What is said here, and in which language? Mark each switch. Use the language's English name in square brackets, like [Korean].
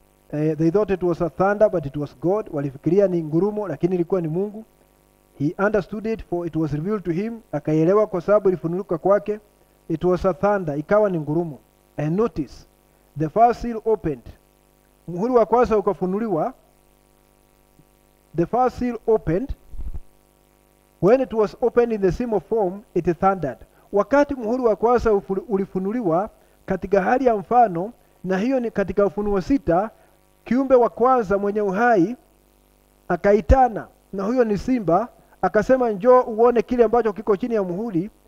[English] They thought it was a thunder, but it was God. [Swahili] Walifikiria ni ngurumo, lakini ilikuwa ni Mungu. [English] He understood it, for it was revealed to him. [Swahili] Akaelewa kwa sababu ilifunuka kwake. [English] It was a thunder. [Swahili] Ikawa ni ngurumo. [English] And notice, the first seal opened. [Swahili] Muhuri wa kwanza ukafunuliwa. [English] The first seal opened. When it was opened in the seal of form, it thundered. [Swahili] Wakati muhuri wa kwanza ulifunuliwa katika hali ya mfano, na hiyo ni katika Ufunuo sita, kiumbe wa kwanza mwenye uhai akaitana, na huyo ni simba, akasema njoo uone kile ambacho kiko chini ya muhuri.